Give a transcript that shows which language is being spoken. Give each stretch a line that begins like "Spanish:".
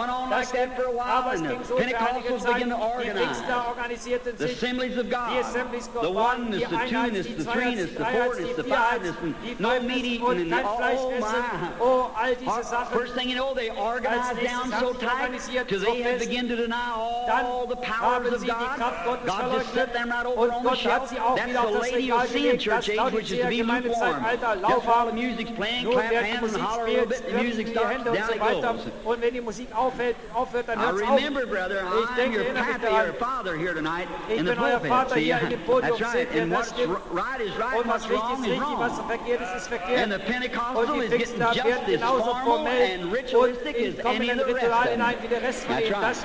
German: Das stimmt, aber es ging so für einige Zeit. Die Pfingster organisierten sich, die Assemblies Gottes, die Einheit, die Zweiheit, die Dreiheit, die Vierheit, die Feindnissen,
English: no meeting
German: und kein Fleischessen, oh, all diese Sachen.
English: First thing you know, they organized down so tight, till they had begin to deny all the powers of God. God just set them right over on the shelf. That's the Laodicean Church Age, which is to be lukewarm. Just while the music's playing, clap hands and holler a little bit, the music starts, down it goes.
German: Und wenn die Musik aufhört, dann hört's auf.
English: I remember, brother, I'm your pappy, your father here tonight in the pulpit. See, that's right, and what's right is right, what's wrong. And the Pentecostals is getting just as formal and ritualistic as any of the rest of them. That's